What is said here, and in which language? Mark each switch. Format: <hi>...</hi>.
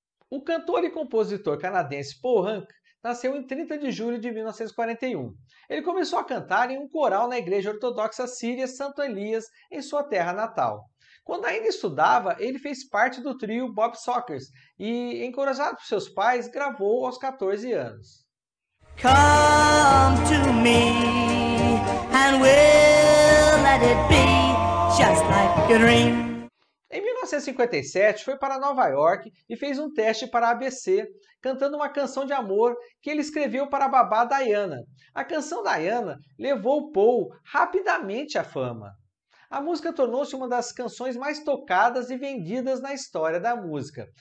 <pt>O cantor e compositor canadense Paul Hunk nasceu em 30 de julho de 1941. Ele começou a cantar em um coral na Igreja Ortodoxa Síria Santo Elias, em sua terra natal. Quando ainda estudava, ele fez parte do trio Bob Sockers e, encorajado por seus pais, gravou aos 14 anos.</pt> <en>Come to me and we'll let it be just like a dream.</en> <pt>Em 1957, foi para Nova York e fez um teste para a ABC, cantando uma canção de amor que ele escreveu para a babá Diana. A canção Diana levou Paul rapidamente à fama. A música tornou-se uma das canções mais tocadas e vendidas na história da música.</pt>